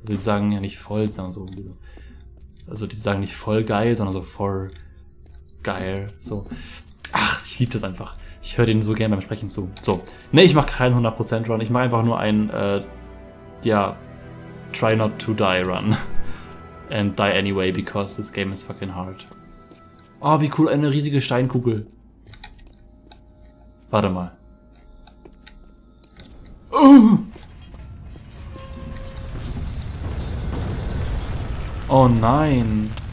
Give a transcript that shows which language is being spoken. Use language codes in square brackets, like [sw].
[de] Sie sagen ja nicht voll, sondern so. Also, die sagen nicht voll geil, sondern so voll geil. So. Ach, ich liebe das einfach. Ich höre denen so gerne beim Sprechen zu. So. Ne, ich mache keinen 100% Run. Ich mache einfach nur einen, [en] try not to die [de] Run. [en] And die anyway, because this game is fucking hard. [de] Oh, wie cool, eine riesige Steinkugel. Warte mal. Oh nein.